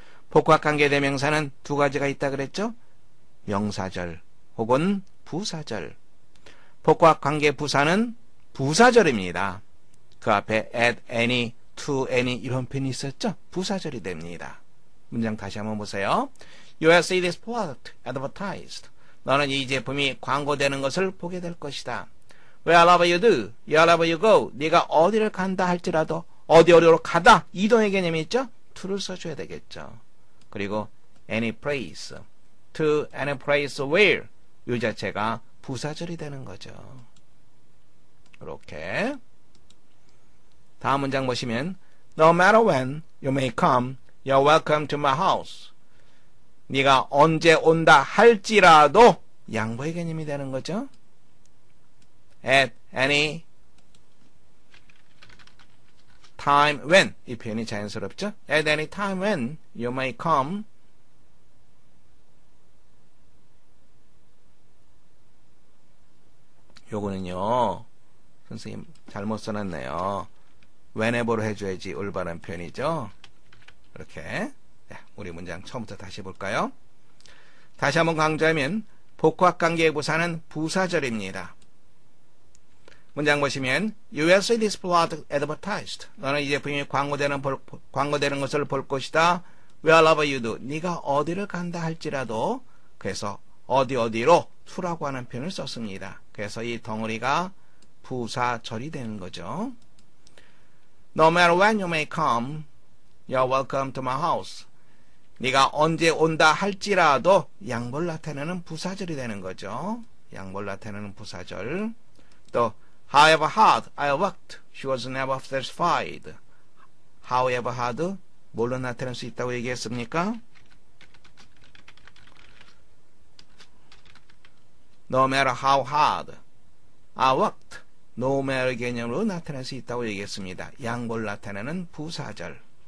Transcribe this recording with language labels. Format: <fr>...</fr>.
<ko>복합관계대명사는 두 가지가 있다 그랬죠? 명사절 혹은 부사절. 복합관계부사는 부사절입니다. 그 앞에 at any, to any 이런 표현이 있었죠? 부사절이 됩니다. 문장 다시 한번 보세요.</ko> <en>You will see this product advertised.</en> <ko>너는 이 제품이 광고되는 것을 보게 될 것이다.</ko> <en>Wherever you do, wherever you go,</en> <ko>네가 어디를 간다 할지라도 어디 어디로 가다, 이동의 개념이 있죠? to를 써줘야 되겠죠. 그리고 any place, to any place where, 이 자체가 부사절이 되는 거죠. 이렇게 다음 문장 보시면</ko> <en>No matter when you may come, you're welcome to my house.</en> <ko>네가 언제 온다 할지라도 양보의 개념이 되는 거죠.</ko> <en>At any time when</en> <ko>이 표현이 자연스럽죠.</ko> <en>At any time when you may come, you거는요</en> <ko>선생님 잘못 써놨네요. Whenever로 해줘야지 올바른 표현이죠. 이렇게 우리 문장 처음부터 다시 볼까요? 다시 한번 강조하면 복합관계부사는 부사절입니다. 문장 보시면</ko> <en>You will see this product advertised.</en> <ko>너는 이 제품이 광고되는 것을 볼 것이다.</ko> <en>Wherever you do,</en> <ko>네가 어디를 간다 할지라도. 그래서 어디 어디로 to라고 하는 표현을 썼습니다. 그래서 이 덩어리가 부사절이 되는 거죠.</ko> <en>No matter when you may come, you're welcome to my house.</en> <ko>네가 언제 온다 할지라도 양보를 나타내는 부사절이 되는 거죠. 양보를 나타내는 부사절. 또</ko> <en>However hard I worked, she was never satisfied.</en> <ko>However hard, 뭘로 나타낼 수 있다고 얘기했습니까?</ko> <en>No matter how hard I worked,</en> <ko>no matter 개념으로 나타낼 수 있다고 얘기했습니다. 양보를 나타내는 부사절.</ko>